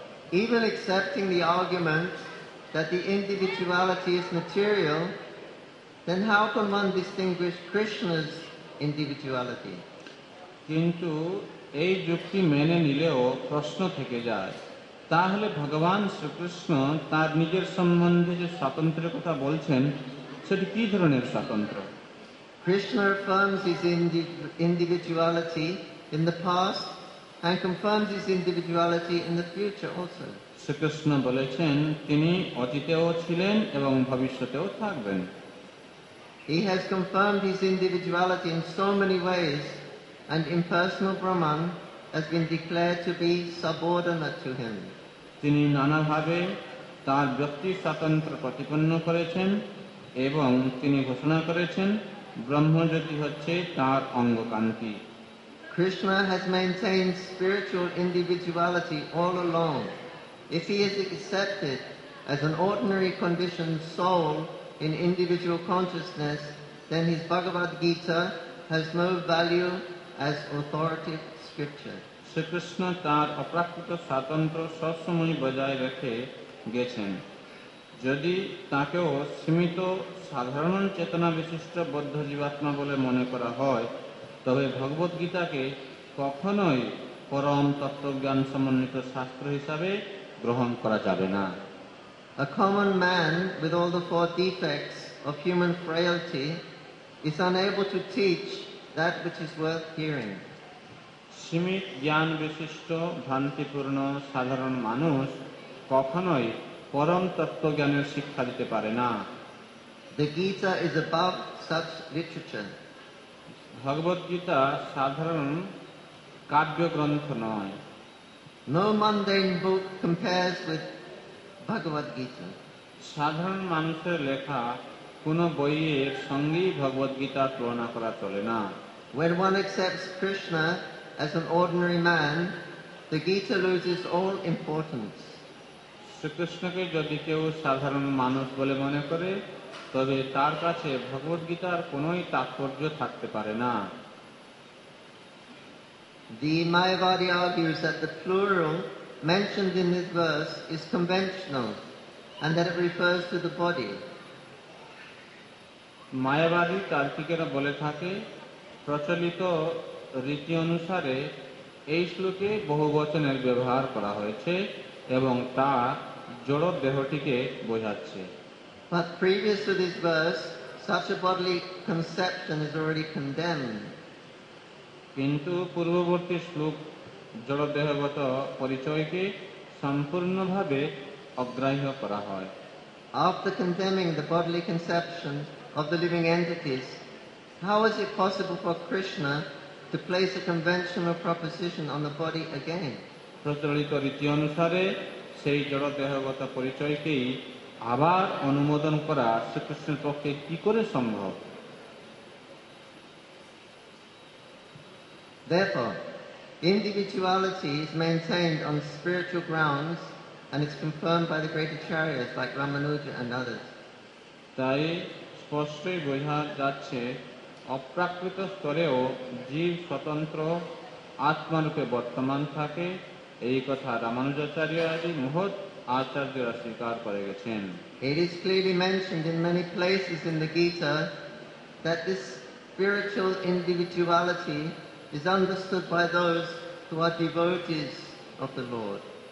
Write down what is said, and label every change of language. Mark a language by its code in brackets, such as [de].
[en] Even accepting the argument that the individuality is material, then how can one distinguish Krishna's individuality? [bn] কিন্তু এই যুক্তি মেনে নিলেও প্রশ্ন থেকে যায়, তাহলে ভগবান শ্রীকৃষ্ণ তার নিজের সম্বন্ধে যে স্বাতন্ত্র্যের কথা বলছেন সেটি কি ধরনের স্বাতন্ত্র্য? [en] Krishna affirms his individuality in the past and confirms his individuality in the future also. [bn] Shrikrishna বলেছেন তিনি অতীতেও ছিলেন এবং ভবিষ্যতেও থাকবেন। [en] He has confirmed his individuality in so many ways and impersonal Brahman has been declared to be subordinate to him. [bn] তিনি নানাভাবে তার ব্যক্তি স্বাতন্ত্র্য প্রতিপন্ন করেছেন এবং তিনি ঘোষণা করেছেন ব্রহ্মজ্যোতি হচ্ছে তার অঙ্গকান্তি। [en] Krishna has maintained spiritual individuality all along. If he is accepted as an ordinary conditioned soul in individual consciousness, then his Bhagavad Gita has no value as authoritative scripture. [bn] Shrikrishna তার অপ্রাকৃত স্বাতন্ত্র্য সবসময় বজায় রেখে গেছেন। যদি তাকেও সীমিত সাধারণ চেতনা বিশিষ্ট বদ্ধ জীবাত্মা বলে মনে করা হয়, তবে ভগবদ গীতাকে কখনোই পরম তত্ত্বজ্ঞান সমন্বিত শাস্ত্র হিসাবে গ্রহণ করা যাবে না। [en] A common man with all the four defects of human frailty is unable to teach that which is worth hearing. [bn] সীমিত জ্ঞান বিশিষ্ট ভ্রান্তিপূর্ণ সাধারণ মানুষ কখনোই পরম তত্ত্বজ্ঞানের শিক্ষা দিতে পারে না। [en] The Gita is above such literature. [bn] ভগবদ গীতা সাধারণ কাব্যগ্রন্থ নয়। [en] No mundane book compares with Bhagavad Gita. [bn] সাধারণ মানুষের লেখা কোনো বইয়ের সঙ্গেই ভগবদ গীতা তুলনা করা চলে না। [en] When one accepts Krishna as an ordinary man, the Gita loses all importance. [bn] শ্রীকৃষ্ণকে যদি কেউ সাধারণ মানুষ বলে মনে করে, তবে তার কাছে ভগবদ গীতার কোনোই তাৎপর্য থাকতে পারে না। [en] The Mayavadi argues that the plural mentioned in this verse is conventional and that it refers to the body. [bn] মায়াবাদী তার্কিকেরা বলে থাকে প্রচলিত রীতি অনুসারে এই শ্লোকে বহুবচনের ব্যবহার করা হয়েছে এবং তা জড় দেহটিকে বোঝাচ্ছে। [en] But previous to this verse, such a bodily conception is already condemned. [bn] কিন্তু পূর্ববর্তী শ্লোক জড় দেহগত পরিচয়কে সম্পূর্ণভাবে অগ্রাহ্য করা হয়। [en] After condemning the bodily conception, of the living entities, how was it possible for Krishna to place a conventional proposition on the body again? [bn] প্রচলিত রীতি অনুসারে সেই জড়দেহগত পরিচয়কেই আবার অনুমোদন করা শ্রীকৃষ্ণের পক্ষে কি করে সম্ভব? [en] Therefore, individuality is maintained on spiritual grounds and is confirmed by the great acharyas like Ramanuja and others. [bn] তাই স্পষ্টই বোঝা যাচ্ছে অপ্রাকৃত স্তরেও জীব স্বতন্ত্র আত্মারূপে বর্তমান থাকে এই কথা রামানুজাচার্য আদি মহৎ আচার্যরা স্বীকার করে গেছেন। [en] It is clearly mentioned in many places in the Gita that this spiritual individuality is understood by those who are devotees of the Lord.